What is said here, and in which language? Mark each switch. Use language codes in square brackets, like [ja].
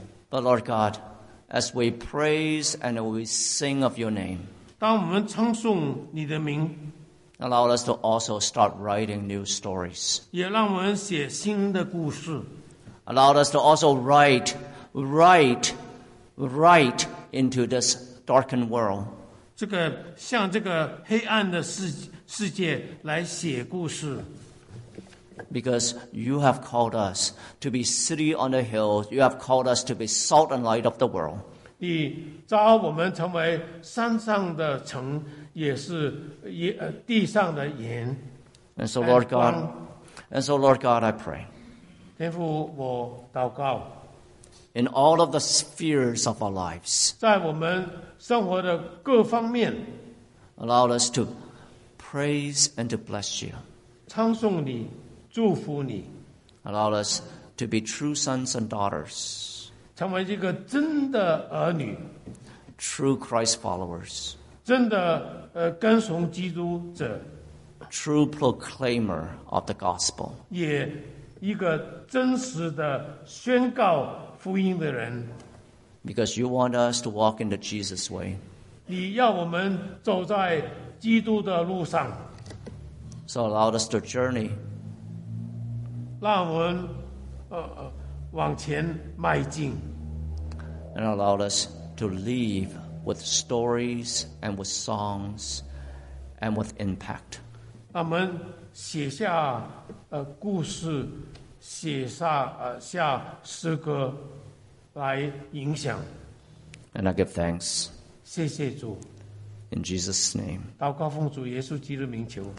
[en] But Lord God, as we praise and we sing of your name, [zh] 当我们称颂你的名, [en] allow us to also start writing new stories. [zh] 也让我们写新的故事。 [en] Allow us to also write into this darkened world. [zh] 这个向这个黑暗的世界来写故事。 [en] Because you have called us to be city on the hill, you have called us to be salt and light of the world. [zh] 你召我们成为山上的城，也是地上的盐。 [en] And so, Lord God, I pray. [zh] 天父，我祷告。 [en] In all of the spheres of our lives, [zh] 在我们生活的各方面, [en] allow us to praise and to bless you, [zh] 称颂你, 祝福你, [en] allow us to be true sons and daughters, [zh] 成为一个真的儿女 [en] True Christ followers [zh] 真的跟从基督者 [en] True proclaimer of the gospel [zh] 也一个真实的宣告福音的人 [en] Because you want us to walk in the Jesus way [zh] 你要我们走在基督的路上 [en] So allow us to journey [zh] 让我们往前迈进 [en] And allow us to leave with stories and with songs and with impact [zh] 让我们写下故事写下下诗歌来影响 [en] And I give thanks [zh] 谢谢主 [en] In Jesus' name [zh] 祷告奉主耶稣基督的名求